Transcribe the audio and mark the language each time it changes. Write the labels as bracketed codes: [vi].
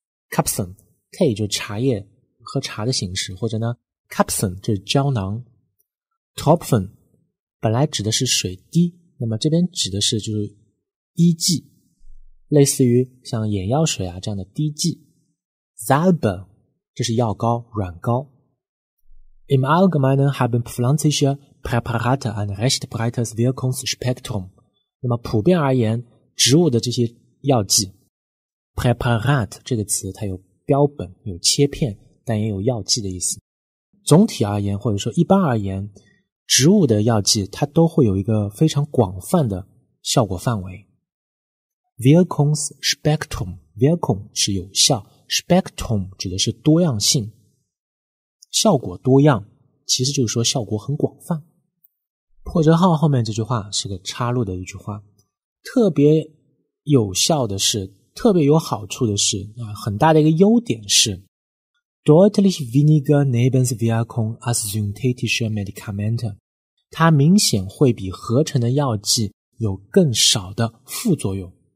[zh] capsen tea 就茶叶喝茶的形式，或者呢 capsen 这是胶囊 ，tropfen 本来指的是水滴，那么这边指的是就是滴剂，类似于像眼药水啊这样的滴剂 ，salbe。这是药膏、软膏。 [de] Im Allgemeinen haben pflanzliche Präparate ein recht breites Wirkungsspektrum。 [zh] 那么普遍而言，植物的这些药剂 ，Präparat 这个词它有标本、有切片，但也有药剂的意思。总体而言，或者说一般而言，植物的药剂它都会有一个非常广泛的效果范围。 Wirkungsspektrum， Wirkung 是有效。 Spectrum 指的是多样性，效果多样，其实就是说效果很广泛。破折号后面这句话是个插入的一句话，特别有效的是，特别有好处的是，很大的一个优点是 [de] deutlich weniger Nebenwirkung als synthetische Medikamente， [zh] 它明显会比合成的药剂有更少的副作用。